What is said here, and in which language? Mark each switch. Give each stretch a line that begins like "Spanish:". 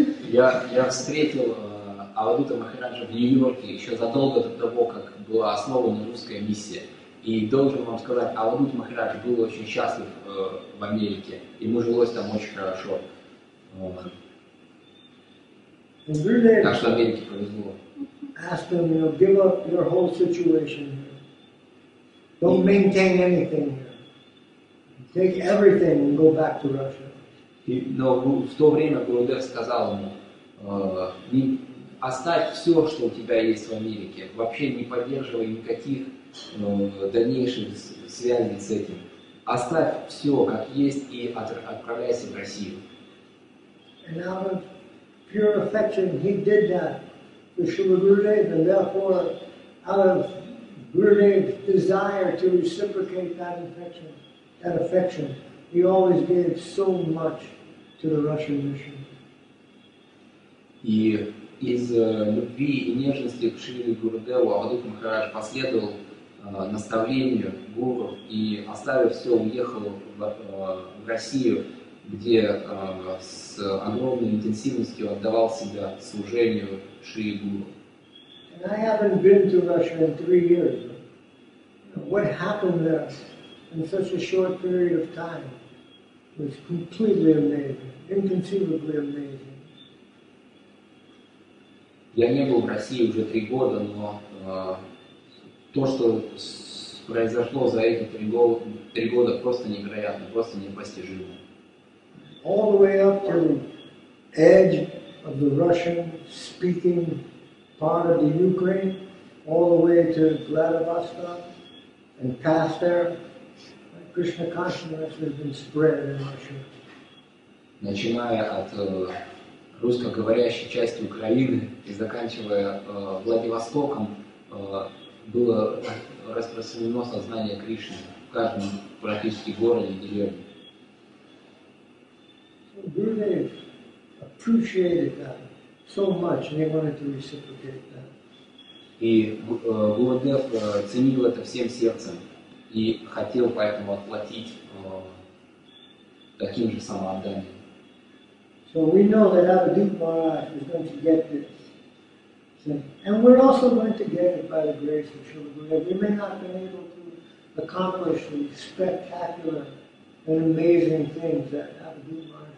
Russian: Я встретил Авадута Махараджа в Нью-Йорке еще задолго до того, как была основана русская миссия. И должен вам сказать, Авадут Махарадж был очень счастлив в Америке. Ему жилось там очень хорошо. Так что Америке повезло.
English: Ask them, you know, give up your whole situation here. Don't maintain anything here. Take everything and go back to Russia.
Russian: Но в то время Гурудев сказал ему, оставь все, что у тебя есть в Америке, вообще не поддерживай никаких дальнейших связей с этим. Оставь все, как есть, и отправляйся в Россию.
English: And out of pure affection, he did that to Srila Gurudev, and therefore, out of Gurudev's desire to reciprocate that affection, he always gave so much to the Russian mission.
Russian: И из любви и нежности к Шри Гурудеву Авадут Махарадж последовал наставлению гуру и, оставив все, уехал в Россию, где с огромной интенсивностью отдавал себя служению Шри Гуру.
English: And I haven't been to Russia in 3 years. What happened there in such a short period of time was completely amazing, inconceivably amazing.
Russian: Я не был в России уже 3 года, но то, что произошло за эти три года, просто невероятно, просто непостижимо.
English: All the way up to the edge of the Russian-speaking part of the Ukraine, all the way to Vladivostok, and past there, Krishna consciousness has been spread in Russia.
Russian: Начиная от русскоговорящей части Украины и заканчивая Владивостоком, было распространено сознание Кришны в каждом практически городе и деревне.
English: Гурудев appreciated that so much, and he wanted to reciprocate that.
Russian: И Гурудев ценил это всем сердцем и хотел поэтому отплатить таким же самоотданием.
English: So we know that Avadhut Maharaj is going to get this. And we're also going to get it by the grace of Srila Gurudev. We may not have been able to accomplish the spectacular and amazing things that Avadhut Maharaj accomplished.